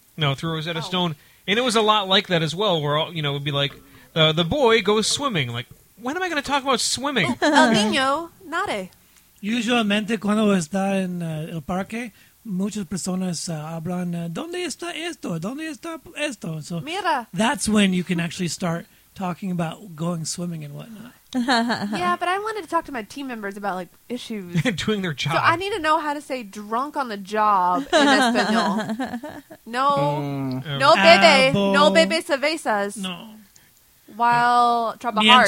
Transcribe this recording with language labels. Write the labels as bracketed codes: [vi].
[en] No, through Rosetta Stone, and it was a lot like that as well. Where all, you know, it'd be like the boy goes swimming. Like, when am I going to talk about swimming? [es] El niño nade. Usualmente cuando está en el parque, muchas personas hablan. ¿Dónde está esto? ¿Dónde está esto? So mira, [en] that's when you can actually start talking about going swimming and whatnot. Yeah, but I wanted to talk to my team members about, like, issues. Doing their job. So I need to know how to say drunk on the job in Espanol. [es] No bebe cervezas. No. [en] While trabajar.